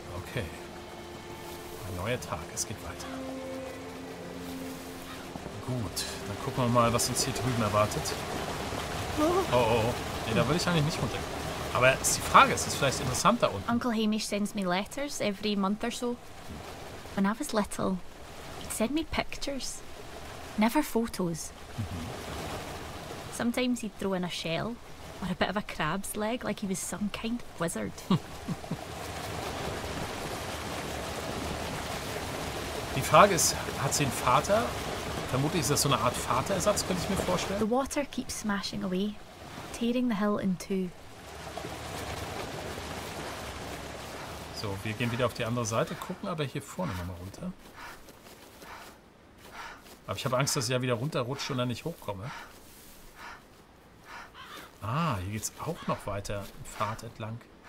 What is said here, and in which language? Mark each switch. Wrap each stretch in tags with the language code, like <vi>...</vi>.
<de>Okay. neuer Tag. Es geht weiter. Gut, dann gucken wir mal, was uns hier drüben erwartet. Oh, oh, oh. Nee, da würde ich eigentlich nicht runter. Aber ist die Frage, ist es vielleicht interessant da unten?</de> <en>Uncle Hamish sends me letters every month or so. When I was little, he'd send me pictures. Never photos. Sometimes he'd throw in a shell or a bit of a crab's leg, like he was some kind of wizard.</en> <de>Die Frage ist, hat sie einen Vater? Vermutlich ist das so eine Art Vaterersatz, könnte ich mir vorstellen.</de> <en>The water keeps smashing away, tearing the hill in two.</en> <de>So, wir gehen wieder auf die andere Seite, gucken aber hier vorne nochmal runter. Aber ich habe Angst, dass ich ja wieder runterrutsche und dann nicht hochkomme. Ah, hier geht's auch noch weiter, Pfad entlang.</de>